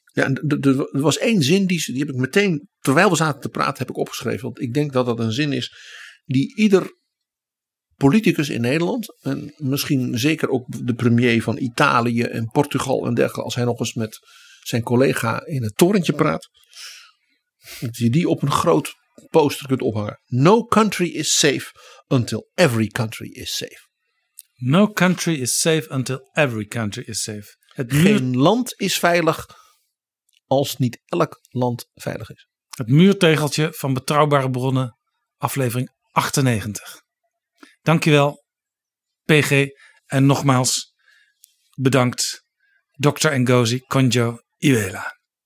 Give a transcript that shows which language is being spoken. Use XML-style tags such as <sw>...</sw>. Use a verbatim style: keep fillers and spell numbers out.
<nl>Ja, er was één zin, die, die heb ik meteen, terwijl we zaten te praten, heb ik opgeschreven. Want ik denk dat dat een zin is die ieder politicus in Nederland en misschien zeker ook de premier van Italië en Portugal en dergelijke, als hij nog eens met zijn collega in het torentje praat, dat je die op een groot poster kunt ophangen.</nl> <en>No country is safe until every country is safe. No country is safe until every country is safe.</en> <nl>Het muur... Geen land is veilig als niet elk land veilig is. Het muurtegeltje van Betrouwbare Bronnen, aflevering achtennegentig. Dankjewel, P G. En nogmaals bedankt, dokter Ngozi Konjo-Iweala.</nl>